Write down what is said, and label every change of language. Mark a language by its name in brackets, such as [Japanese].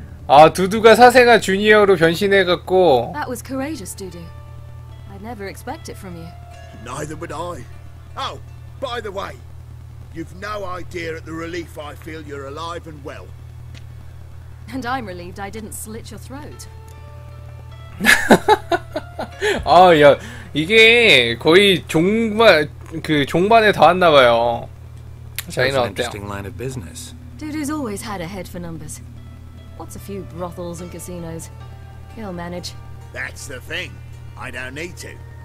[Korean] 아, 두두가 사생아 주니어로 변신해 갖고. [English] That was courageous, Doodoo. I'd never expect it from you. Neither would I. Oh, by the way, you've no idea at the relief I feel you're alive and well. And I'm relieved I didn't slit your throat. [Korean] 아, 야, 이게 거의 종말 그 종반에 다 왔나 봐요. 자이는 어때요? [English] Interesting line of business. Doodoo's always had a head for numbers. What's a few brothels and casinos? He'll manage. That's the thing. I don't need to.